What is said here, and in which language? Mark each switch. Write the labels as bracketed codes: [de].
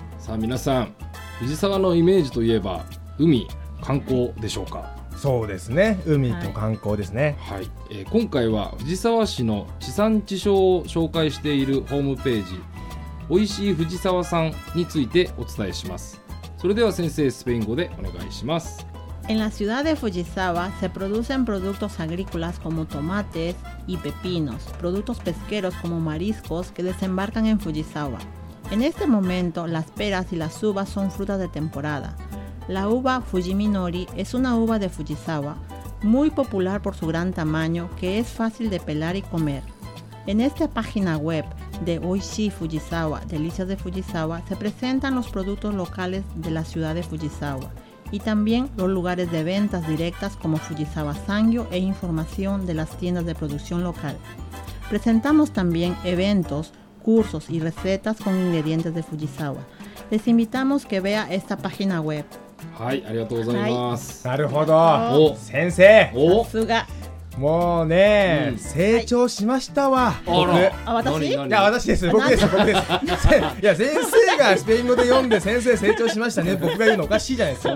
[ja] さあ皆さん、藤沢のイメージといえば海、観光でしょうか。そうですね、海と観光ですね。はい、はい、今回は藤沢市の地産地消を紹介しているホームページ、おいしい藤沢さんについてお伝えします。それでは先生、スペイン語でお願いします。 [es] En la ciudad de Fujisawa se producen productos agrícolas como tomates y pepinos, productos pesqueros como mariscos que desembarcan en Fujisawa. En este momento, las peras y las uvas son frutas de temporada. La uva Fujiminori es una uva de Fujisawa, muy popular por su gran tamaño que es fácil de pelar y comer. En esta página web de Oishi Fujisawa, Delicias de Fujisawa, se presentan los productos locales de la ciudad de Fujisawa. Y también los lugares de ventas directas como Fujisawa Sangyo e información de las tiendas de producción local. Presentamos también eventos, cursos y recetas con ingredientes de Fujisawa. Les invitamos que vea esta página web. [ja] はい、ありがとうございます。なるほど。お、先生。さすが。もうね、うん、成長しましたわ、はい、僕。あ、私？いや、私です。僕です。僕です。いや、先生がスペイン語で読んで、先生成長しましたね。僕が言うのおかしいじゃないですか。